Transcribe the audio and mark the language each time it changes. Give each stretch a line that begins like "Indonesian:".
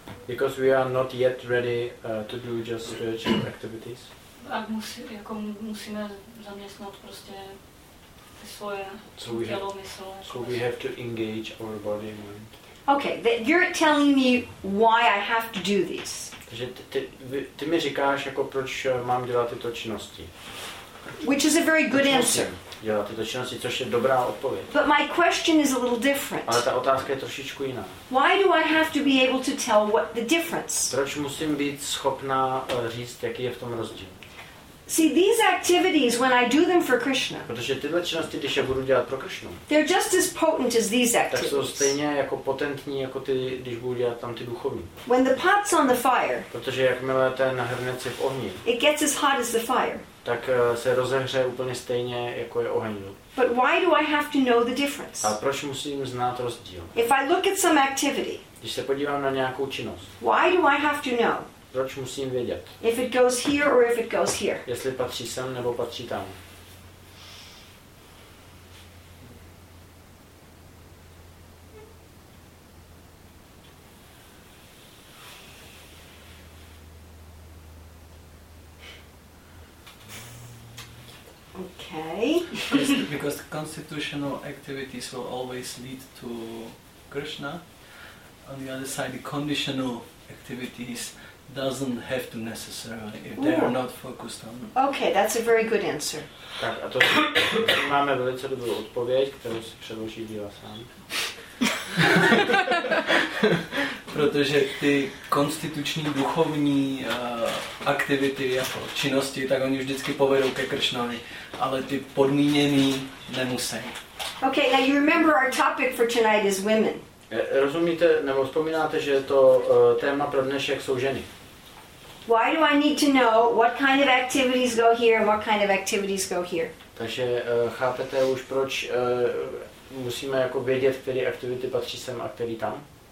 English: Because we are not yet ready to do just spiritual activities.
Czech: Tak musíme zaměstnat prostě svoje tělo, mysl.
English: So we have to engage our body and mind. Okay, you're telling me why I have to do this.
Czech: Takže ty mi říkáš, jako proč mám dělat tyto činnosti.
English: Which is a very good answer.
Czech: Dělat tyto činnosti, což je dobrá odpověď.
English: But my question is a little different.
Czech: Ale ta otázka je trošičku jiná.
English: Why do I have to be able to tell what the difference?
Czech: Proč musím být schopná říct, jaký je v tom rozdíl?
English: See, these activities, when I do them for Krishna,
Czech: protože tyhle činnosti, když je budu dělat pro Krishnu,
English: they're just as potent as these activities.
Czech: Tak jsou stejně jako potentní, jako ty, když budu dělat tam ty duchovní.
English: When the pot's on the fire,
Czech: protože jakmile ten hrnec je v ohni,
English: it gets as hot as the fire.
Czech: Tak se rozehře úplně stejně, jako je oheň.
English: But why do I have to know the difference?
Czech: A proč musím znát rozdíl?
English: If I look at some activity,
Czech: když se podívám na nějakou činnost,
English: why do I have to know?
Czech: Proč musím vědět?
English: If it goes here or if it goes here.
Czech: Jestli patří sem nebo patří tam.
English: Okay. Because constitutional activities will always lead to Krishna. On the other side, the conditional activities doesn't have to necessarily if they are not focused on. Okay, that's a very good answer.
Czech: Tak a to máme velice dobrou odpověď, kterou si předloží Díva sám. Protože ty konstituční duchovní aktivity jako činnosti, tak oni vždycky povedou ke Kršnovi, ale ty podmíněný nemusí.
English: Okay, now you remember our topic for tonight is women.
Czech: Rozumíte, nebo vzpomínáte, že to téma pro dnešek jsou ženy.
English: Why do I need to know what kind of activities go here and what kind of activities go here?
Czech: Takže chápete už proč musíme jako vědět, které aktivity patří sem a které tam?